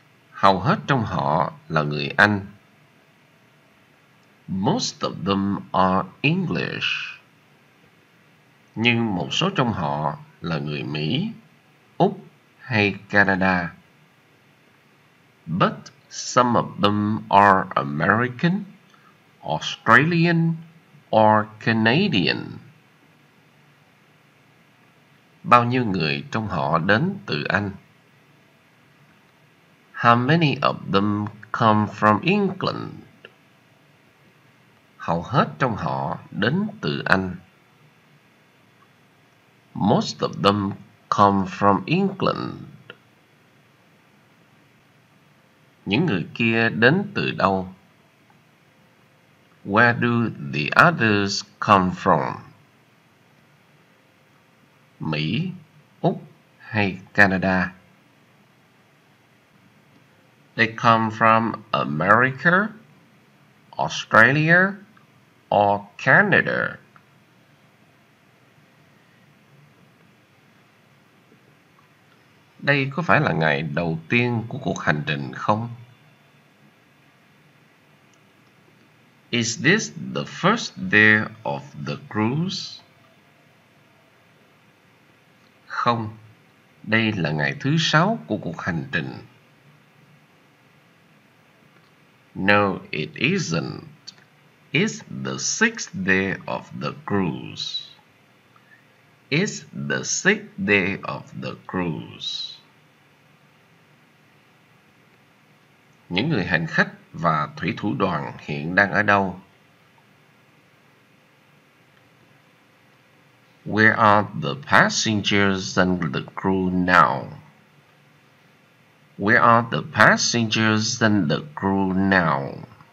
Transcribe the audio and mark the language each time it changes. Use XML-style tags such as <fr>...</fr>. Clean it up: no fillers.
<vi>Hầu hết trong họ là người Anh.</vi> <en>Most of them are English.</en> <vi>Nhưng một số trong họ là người Mỹ, Úc hay Canada.</vi> <en>But some of them are American, Australian or Canadian.</en> <vi>Bao nhiêu người trong họ đến từ Anh?</vi> <en>How many of them come from England?</en> <vi>Hầu hết trong họ đến từ Anh.</vi> <en>Most of them come from England.</en> <vi>Những người kia đến từ đâu?</vi> <en>Where do the others come from?</en> <vi>Mỹ, Úc hay Canada?</vi> <en>They come from America, Australia, or Canada.</en> <vi>Đây có phải là ngày đầu tiên của cuộc hành trình không?</vi> <en>Is this the first day of the cruise?</en> <vi>Không, đây là ngày thứ sáu của cuộc hành trình.</vi> <en>No, it isn't. It's the sixth day of the cruise. It's the sixth day of the cruise.</en> <vi>Những người hành khách và thủy thủ đoàn hiện đang ở đâu?</vi> <en>Where are the passengers and the crew now? Where are the passengers and the crew now?</en>